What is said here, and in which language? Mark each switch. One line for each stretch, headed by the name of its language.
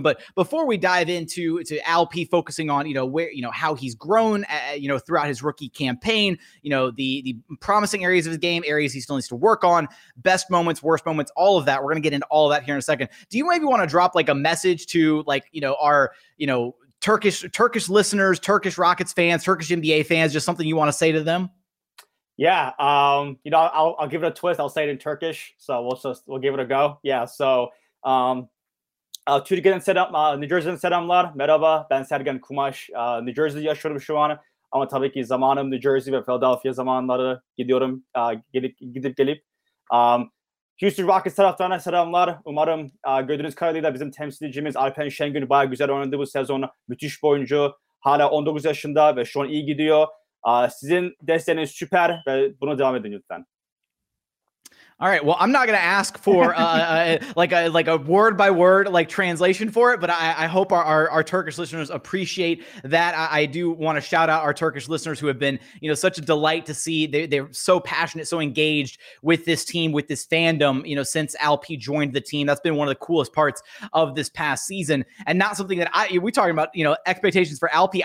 English: But before we dive into Alpi focusing on, you know, where, you know, how he's grown, you know, throughout his rookie campaign, you know, the promising areas of his game, areas he still needs to work on, best moments, worst moments, all of that. We're going to get into all that here in a second. Do you maybe want to drop like a message to like, you know, our, you know, Turkish listeners, Turkish Rockets fans, Turkish NBA fans, just something you want to say to them? Yeah, you know, I'll give it a twist. I'll say it in Turkish, so we'll give it a go.
Turkish: Yeah, so Türkiye'den selam, Nijerya'dan selamlar, merhaba, ben Sergen Kumaş, Nijerya'da yaşıyorum şu an, ama tabii ki zamanım Nijerya ve Philadelphia zamanları gidiyorum, gidip gelip. Houston Rockets taraftarına selamlar. Umarım gördüğünüz kadarıyla bizim temsilcimiz Alperen Şengün bayağı güzel oynadı bu sezon. Müthiş bir oyuncu. Hala 19 yaşında ve şu an iyi gidiyor. Sizin desteğiniz süper ve buna devam edin lütfen.
English: All right. Well, I'm not going to ask for like a word by word like translation for it, but I hope our Turkish listeners appreciate that. I do want to shout out our Turkish listeners who have been, you know, such a delight to see. They're so passionate, so engaged with this team, with this fandom, you know, since Alpi joined the team. That's been one of the coolest parts of this past season, and not something that we're talking about, you know, expectations for Alpi.